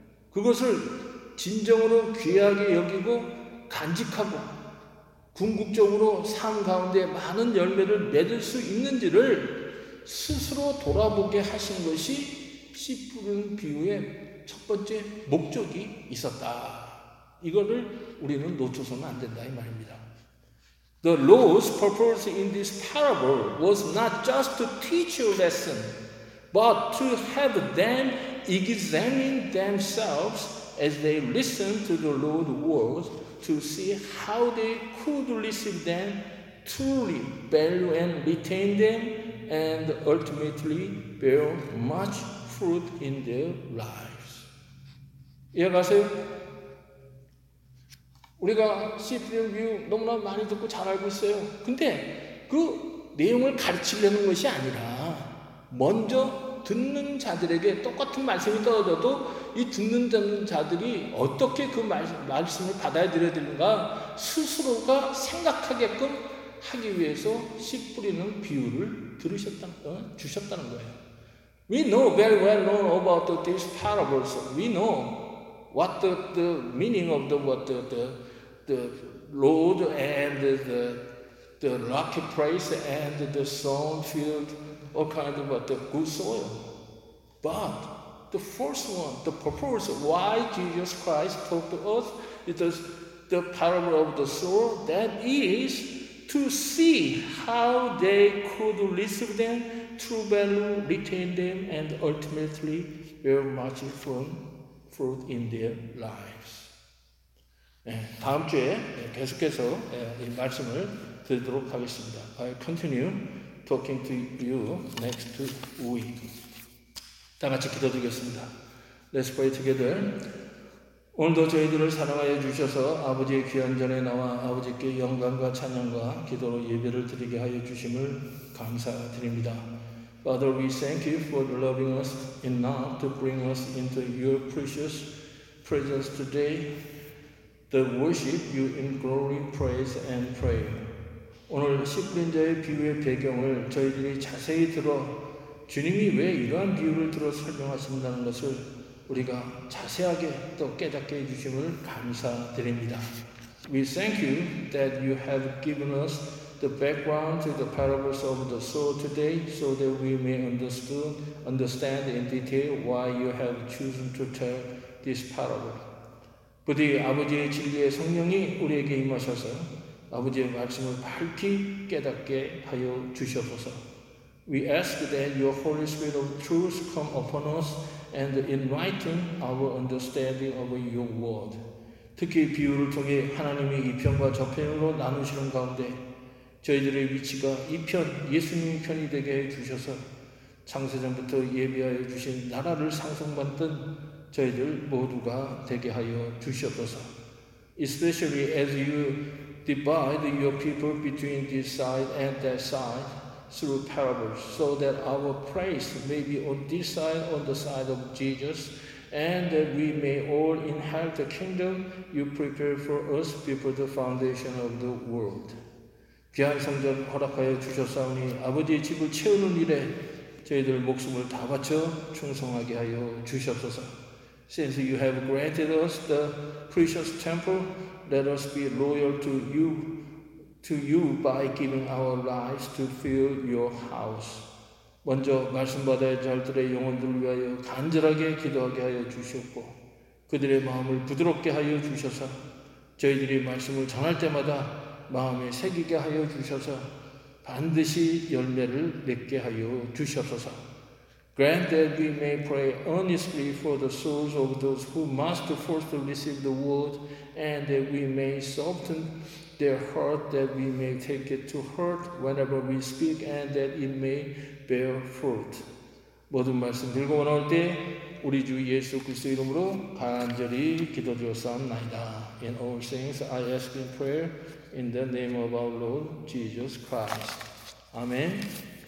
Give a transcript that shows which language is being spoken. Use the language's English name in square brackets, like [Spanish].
[Korean] 그것을 진정으로 귀하게 여기고 간직하고 궁극적으로 삶 가운데 많은 열매를 맺을 수 있는지를 스스로 돌아보게 하신 것이 씨 뿌리는 비유의 첫 번째 목적이 있었다. 이거를 우리는 놓쳐서는 안 된다 이 말입니다. [English] The Lord's purpose in this parable was not just to teach a lesson, but to have them examine themselves as they listen to the Lord's words to see how they could receive them, truly value and retain them, and ultimately bear much fruit in their lives. [Korean] 이해가세요? 우리가 CPM 뷰 너무나 많이 듣고 잘 알고 있어요. 근데 그 내용을 가르치려는 것이 아니라 먼저 듣는 자들에게 똑같은 말씀이 떨어져도 이 듣는 자들이 어떻게 그 말씀을 받아들여야 되는가 스스로가 생각하게끔 하기 위해서 씨 뿌리는 비유를 주셨다는 거예요. [English] We know very well known about these parables. We know what the meaning of the road and the rocky place and the sown field, all kind of the good soil. But the first one, the purpose why Jesus Christ taught us is the parable of the sower, that is to see how they could receive them, true value, retain them, and ultimately bear much fruit in their lives. [Korean] 네, 다음 주에 계속해서 이 말씀을 드리도록 하겠습니다. [English] I'll continue talking to you next week. [Korean] 다 같이 기도드리겠습니다. [English] Let's pray together. [Korean] 오늘도 저희들을 사랑하여 주셔서 아버지의 귀한 전에 나와 아버지께 영광과 찬양과 기도로 예배를 드리게 하여 주심을 감사드립니다. [English] Father, we thank you for loving us enough to bring us into your precious presence today to worship you in glory, praise, and prayer. [Korean] 오늘 십린자의 비유의 배경을 저희들이 자세히 들어 주님이 왜 이러한 비유를 들어 설명하신다는 것을 우리가 자세하게 또 깨닫게 해주심을 감사드립니다. [English] We thank you that you have given us the background to the parables of the sower today so that we may understand in detail why you have chosen to tell this parable. [Korean] 부디 아버지의 진리의 성령이 우리에게 임하셔서 아버지의 말씀을 밝히 깨닫게 하여 주시옵소서. [English] We ask that your Holy Spirit of truth come upon us and enlighten our understanding of your word. [Korean] 특히 비유를 통해 하나님이 이 편과 저 편으로 나누시는 가운데 저희들의 위치가 이 편, 예수님의 편이 되게 해주셔서 창세전부터 예비하여 주신 나라를 상속받던 저희들 모두가 되게 하여 주시옵소서. [English] Especially as you divide your people between this side and that side, through parables, so that our place may be on this side, on the side of Jesus, and that we may all inherit the kingdom you prepared for us before the foundation of the world. [Korean] 귀한 성전 허락하여 주셨사오니 아버지의 집을 채우는 일에 저희들 목숨을 다 바쳐 충성하게 하여 주시옵소서. [English] Since you have granted us the precious temple, let us be loyal to you by giving our lives to fill your house. [Korean] 먼저 말씀 받아야 자들의 영혼들을 위하여 간절하게 기도하게 하여 주시옵고 그들의 마음을 부드럽게 하여 주셔서 저희들이 말씀을 전할 때마다 마음에 새기게 하여 주셔서 반드시 열매를 맺게 하여 주시옵소서. [English] Grant that we may pray earnestly for the souls of those who must first receive the word and that we may soften their heart that we may take it to heart whenever we speak and that it may bear fruit. [Korean] 모든 말씀 들고 나올 때 우리 주 예수 그리스도 이름으로 간절히 기도드렸사옵나이다. [English] In all things I ask in prayer in the name of our Lord Jesus Christ. Amen.